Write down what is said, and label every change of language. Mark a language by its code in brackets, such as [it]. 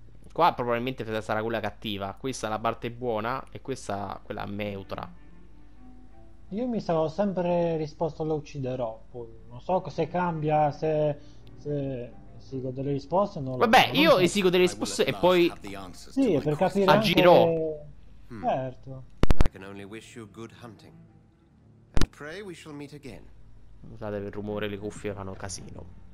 [it] Qua probabilmente sarà quella cattiva. Questa è la parte buona e questa quella neutra. Io mi sono sempre risposto lo ucciderò. Poi non so se cambia, se esigo delle risposte. Non vabbè, lo so. Io esigo delle risposte e poi sì, per capire agirò. Certo. [en] I can only wish you good hunting. And pray we shall meet again. [it] Scusate per il rumore, le cuffie fanno casino.